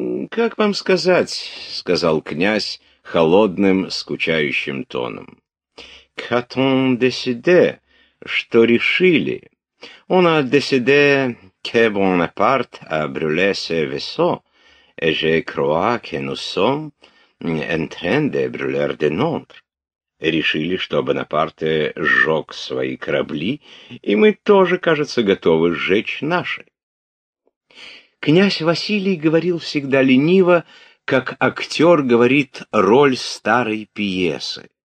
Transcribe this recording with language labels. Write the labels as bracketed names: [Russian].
[Russian] Как вам сказать, сказал князь холодным, скучающим тоном. [French] Quand on décide, [Russian] что решили. [French] On a décidé que Bonaparte a brûlé ce vaisseau, et je crois que nous sommes en train de brûler de notre. [Russian] Решили, что Бонапарте сжег свои корабли, и мы тоже, кажется, готовы сжечь наши. Князь Василий говорил всегда лениво, как актер говорит роль старой пьесы.